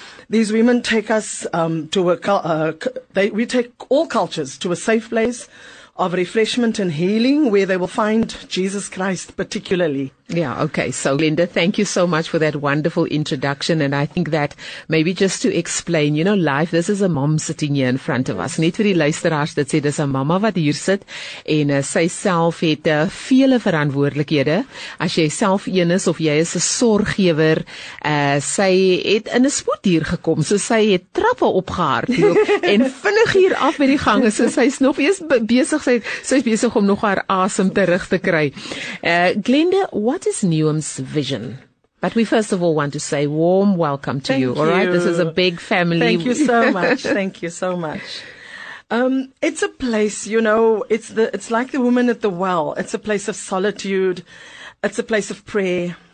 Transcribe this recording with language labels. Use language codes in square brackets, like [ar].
[en] These women take us we take all cultures to a safe place of refreshment and healing, where they will find Jesus Christ particularly. Yeah, okay. So, Glenda, thank you so much for that wonderful introduction. And I think that maybe just to explain, you know, life, this is a mom sitting here in front of us. [af] Net vir die luisteraars, dit sê, dis 'n mama wat hier sit. En sy self het vele verantwoordelikhede. As jy self een is, of jy is 'n sorggewer, sy het in 'n spoed hier gekom. So, sy het trappe opgehardloop en vinnig hier af by die gange. So, sy is nog eers besig, sy is besig om nog haar asem terug te kry. [en] Glenda, what is Newham's vision? But we first of all want to say warm welcome to you, all right? This is a big family. Thank you so much. Thank you so much. It's a place, you know, it's like the woman at the well. It's a place of solitude. It's a place of prayer.